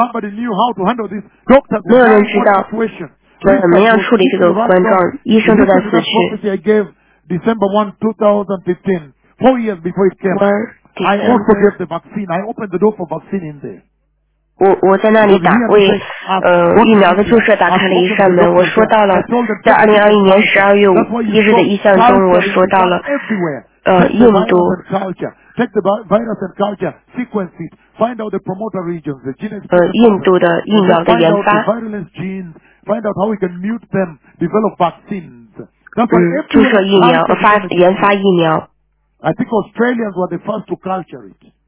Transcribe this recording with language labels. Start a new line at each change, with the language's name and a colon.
Chinese: 没有人知道怎么样处理这个冠状，医生都在死去。
English: December 1, 2015, 4 years before it came, I also gave the vaccine. I opened the door for vaccine in there.
Chinese: 我在那里打为疫苗的注射打开了一扇门。我说到了在2021年12月1日的意向中，我说到了印度。
English: Check the virus and culture, sequence it, find out the promoter regions, the genes.
Chinese: 印度的疫苗的研发。
English: Find out the virulence genes, find out how we can mute them, develop vaccines.
Chinese: 注射疫苗，研发疫苗。
English: I think Australians were the first to culture it.